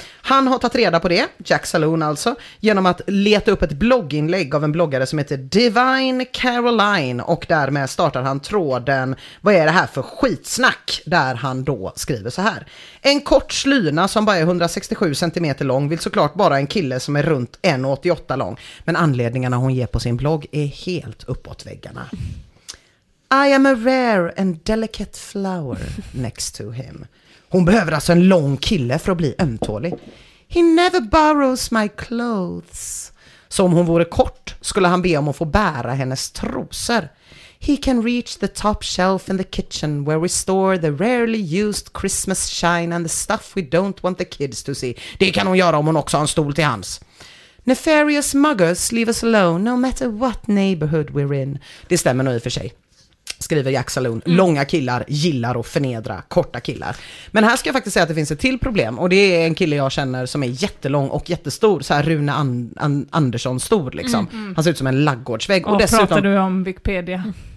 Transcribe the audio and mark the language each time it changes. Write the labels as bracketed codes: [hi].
[sv] Han har tagit reda på det, Jack Saloon alltså, genom att leta upp ett blogginlägg av en bloggare som heter Divine Caroline, och därmed startar han tråden "Vad är det här för skitsnack?" där han då skriver så här: "En kort slyna som bara är 167 cm lång vill såklart bara en kille som är runt 1,88 lång, men anledningarna hon ger på sin blogg är helt uppåt väggarna. [en] I am a rare and delicate flower next to him. [sv] Hon behöver alltså en lång kille för att bli ömtålig. [en] He never borrows my clothes. [sv] Så om hon vore kort skulle han be om att få bära hennes trosor. [en] He can reach the top shelf in the kitchen where we store the rarely used Christmas shine and the stuff we don't want the kids to see." [sv] Det kan hon göra om hon också har en stol till hans. [en] "Nefarious muggers leave us alone no matter what neighborhood we're in." [sv] Det stämmer nog i och för sig. Skriver Jack Saloon. Långa killar gillar att förnedra korta killar. Men här ska jag faktiskt säga att det finns ett till problem. Och det är en kille jag känner som är jättelång och jättestor. Så här Rune Andersson stor liksom. Han ser ut som en laggårdsvägg. Och dessutom... pratar du om Wikipedia?